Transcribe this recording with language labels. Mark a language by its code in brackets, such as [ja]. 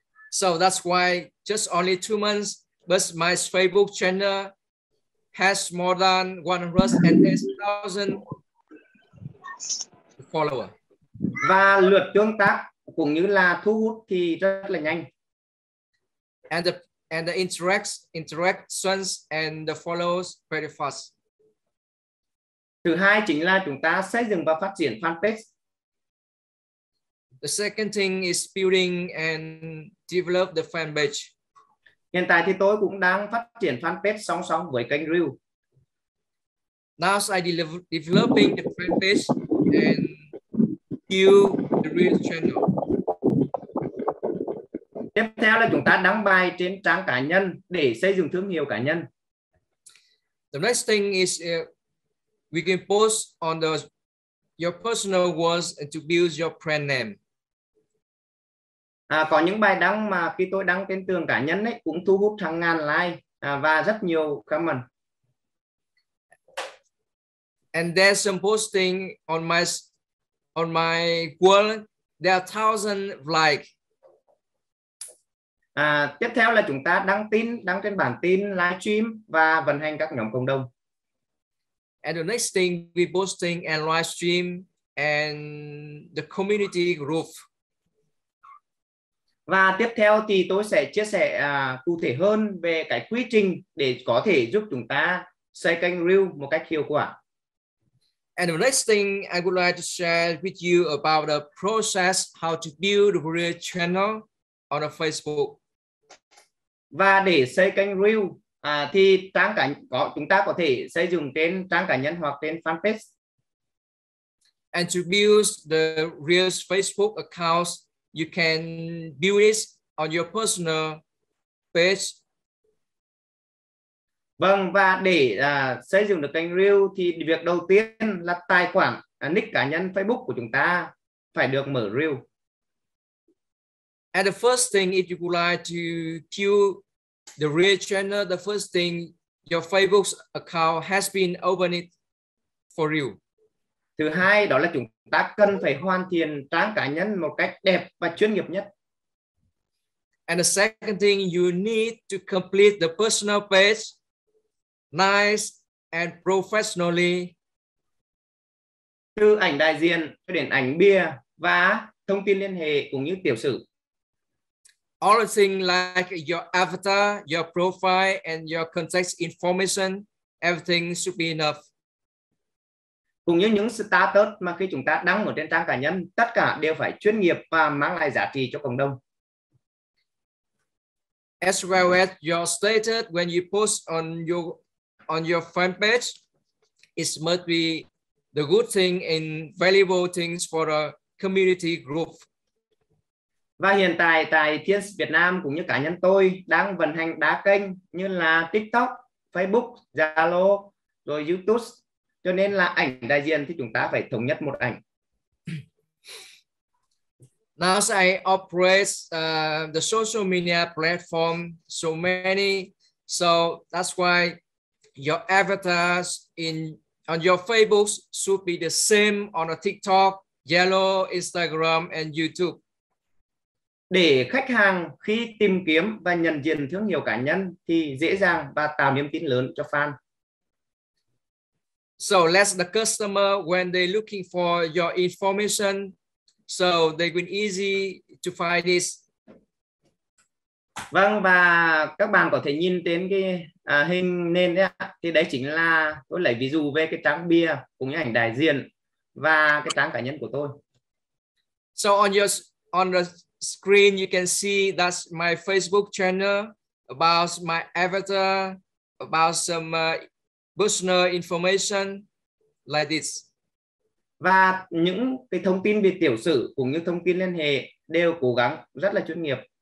[en] So that's why just only 2 months, but my Facebook channel has more than 108,000 followers. [vi] Và lượt tương tác cũng như là thu hút thì rất là nhanh. [en] And the interactions and the follows very fast. [vi] Thứ hai chính là chúng ta xây dựng và phát triển fanpage. [en] The second thing is building and develop the fanpage. [vi] Hiện tại thì tôi cũng đang phát triển fanpage song song với kênh Reel. [en] Now I developing the fanpage and build the Reel channel. [vi] Tiếp theo là chúng ta đăng bài trên trang cá nhân để xây dựng thương hiệu cá nhân. [en] The next thing is we can post on the your personal words to build your brand name. [vi] Có những bài đăng mà khi tôi đăng trên tường cá nhân ấy cũng thu hút hàng ngàn like và rất nhiều comment. [en] And there's some posting on my wall, there are thousand like. [vi] Tiếp theo là chúng ta đăng trên bản tin live stream và vận hành các nhóm cộng đồng. [en] And the next thing we posting and live stream and the community group. [vi] Và tiếp theo thì tôi sẽ chia sẻ cụ thể hơn về cái quy trình để có thể giúp chúng ta xây kênh Reel một cách hiệu quả. [en] And the next thing I would like to share with you about the process how to build a Reel channel on a Facebook. [vi] Và để xây kênh Reel thì trang cá có chúng ta có thể xây dựng trên trang cá nhân hoặc trên fanpage. [en] And to build the Reels Facebook account, you can build it on your personal page. [vi] Vâng, và để xây dựng được kênh Reel thì việc đầu tiên là tài khoản nick cá nhân Facebook của chúng ta phải được mở Reel. [en] And the first thing, if you would like to build the Reel channel, the first thing, your Facebook account has been opened for you. [vi] Thứ hai đó là chúng ta cần phải hoàn thiện trang cá nhân một cách đẹp và chuyên nghiệp nhất. [en] And the second thing, you need to complete the personal page nice and professionally. [vi] Từ ảnh đại diện cho đến ảnh bìa và thông tin liên hệ cũng như tiểu sử. [en] All the things like your avatar, your profile and your contact information, everything should be enough. [vi] Cũng như những status mà khi chúng ta đăng ở trên trang cá nhân, tất cả đều phải chuyên nghiệp và mang lại giá trị cho cộng đồng. [en] As well as your status when you post on your fanpage, it must be the good thing and valuable things for a community group. [vi] Và hiện tại tại Thiên Việt Nam cũng như cá nhân tôi đang vận hành đa kênh như là TikTok, Facebook, Zalo, rồi YouTube. Cho nên là ảnh đại diện thì chúng ta phải thống nhất một ảnh. [en] Now I operate the social media platform so many. So that's why your avatars on your Facebook should be the same on a TikTok, Zalo, Instagram and YouTube. [vi] Để khách hàng khi tìm kiếm và nhận diện thương hiệu cá nhân thì dễ dàng và tạo niềm tin lớn cho fan. [en] So let the customer when they looking for your information, so they will easy to find this. [vi] Vâng, và các bạn có thể nhìn trên cái hình nền đấy ạ. Thì đấy chính là tôi lấy ví dụ về cái trang bìa cũng như ảnh đại diện và cái trang cá nhân của tôi. [en] So on the screen you can see that's my Facebook channel, about my avatar, about some personal information like this. [vi] Và những cái thông tin về tiểu sử cũng như thông tin liên hệ đều cố gắng rất là chuyên nghiệp.